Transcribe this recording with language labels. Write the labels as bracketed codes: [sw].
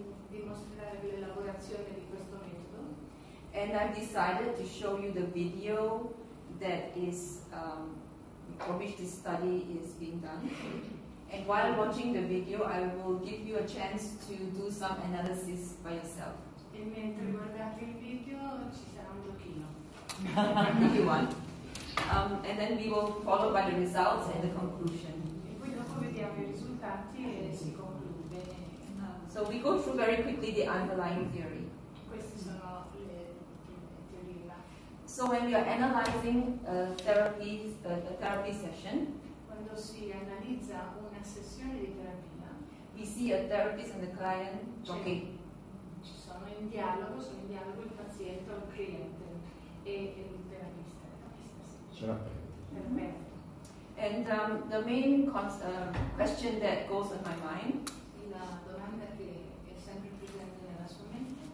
[it] Dimostrarvi l'elaborazione di questo metodo. [en] And I've decided to show you the video that is for which this study is being done. And while watching the video, I will give you a chance to do some analysis by yourself. [it] E mentre guardate il video, ci sarà un giochino. [en] If you want. And then we will follow by the results and the conclusion. [it] E poi dopo vediamo i risultati e si conclude. [en] So we go through very quickly the underlying theory. [it] Queste sono le teorie. [en] So when we are analyzing a therapy session, [it] quando si analizza una sessione di terapia, [en] we see a therapist and the client talking. [it] Ci sono in dialogo, sono in dialogo il paziente, il cliente e il terapista. Perfetto. [en] And the main question that goes in my mind, [it] la domanda che è sempre presente nella sua mente,